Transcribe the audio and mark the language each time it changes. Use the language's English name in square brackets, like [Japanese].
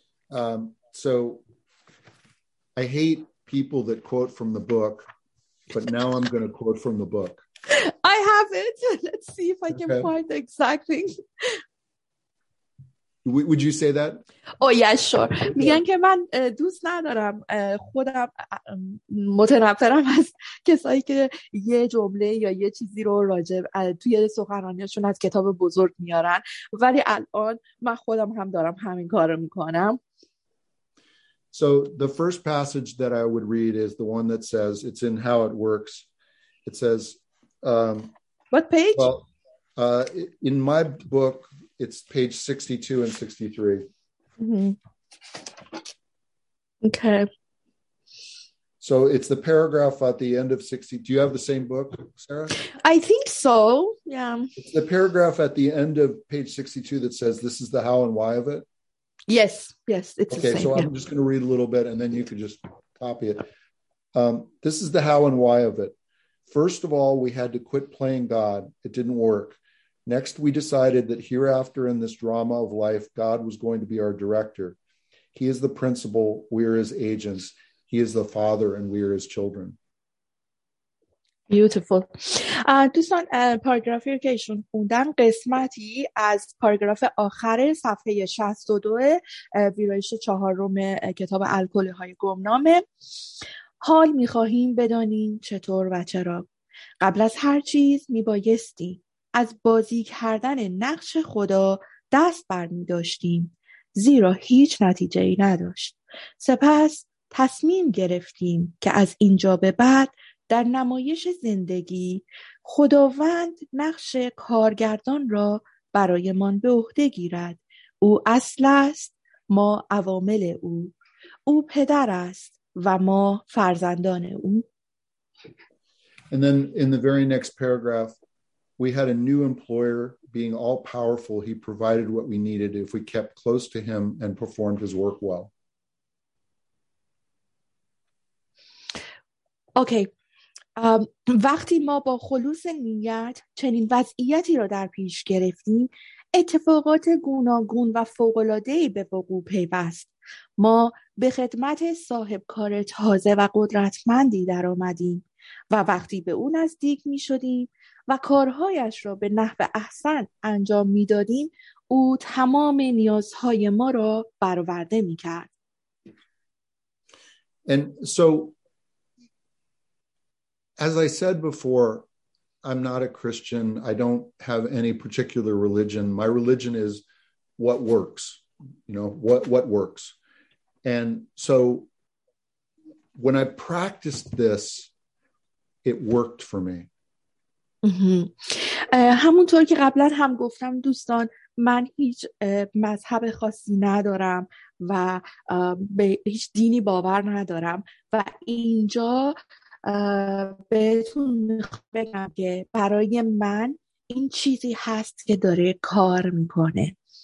[English] So I hate people that quote from the book, but now I'm going to quote from the book. I have it. Let's see if I can find the exact thing. Would you say that? Oh, yeah, sure. [Persian] میگن که من دوست ندارم خودم متنفرم از کسایی که یه جمله یا یه چیزی رو راجع توی سخنرانیشون از کتاب بزرگ میارن، ولی الان من خودم هم دارم همین کارو میکنم. [English] So the first passage that I would read is the one that says, it's in How It Works. It says... What page? Well, in my book, it's page 62 and 63. Mm-hmm. Okay. So it's the paragraph at the end of 60. Do you have the same book, Sarah? I think so. Yeah. It's the paragraph at the end of page 62 that says this is the how and why of it. Yes. Yes. It's okay. The same. So yeah. I'm just going to read a little bit and then you can just copy it. This is the how and why of it. First of all, we had to quit playing God. It didn't work. Next, we decided that hereafter in this drama of life, God was going to be our director. He is the principal. We are his agents. He is the father and we are his children. Beautiful. [Persian] دوستان پاراگراف که ایشون خوندن قسمتی از پاراگراف آخر صفحه 62 ویرایش چهارم کتاب الکلی های گمنامه. حال میخواهیم بدانیم چطور و چرا. قبل از هر چیز میبایستی از بازی کردن نقش خدا دست برمیداشتیم زیرا هیچ نتیجه ای نداشت. سپس تصمیم گرفتیم که از اینجا به بعد در نمایش زندگی خداوند نقش کارگردان را برای من به عهده گیرد. او اصل است، ما عوامل او. او پدر است و ما فرزندان او. [English] And then in the very next paragraph, we had a new employer being all powerful. He provided what we needed if we kept close to him and performed his work well. Okay. [Persian] وقتی ما با خلوص نیت چنین وضعیتی را در پیش گرفتیم، اتفاقات گوناگون و فوق‌العاده‌ای به وقوع پیوست. ما به خدمت صاحب کار تازه و قدرتمندی در آمدیم و وقتی به او نزدیک می شدیم و کارهایش را به نحو احسن انجام می دادیم، او تمام نیازهای ما را برآورده می کرد. [English] As I said before, I'm not a Christian. I don't have any particular religion. My religion is what works, you know, what works. And so when I practiced this, it worked for me. [Persian] همونطور که قبلا هم گفتم دوستان، من هیچ مذهب خاصی ندارم و به هیچ دینی باور ندارم و اینجا بهتون بگم که برای من این چیزی هست که داره کار میکنه.